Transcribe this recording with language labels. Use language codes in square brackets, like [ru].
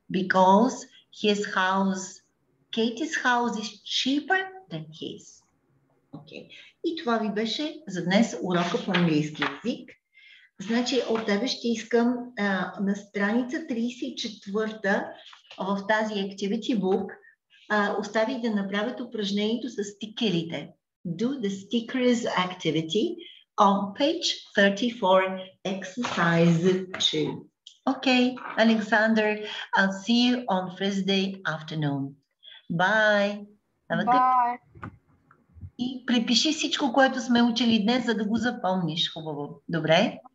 [en] Because his house, Katie's house is cheaper than his. Okay. [bg] И това ви беше за днес урока по английски език. Значи от тебе ще искам на страница 34 в тази Activity Book, оставих да направят упражнението с стикерите. [en] Do the stickers activity on page 34, exercise 2. Okay, Alexander, I'll see you on Thursday afternoon. Bye. Have a Bye. Good... [bg] И припиши всичко, което сме учили днес, за да го запомниш хубаво. Добре?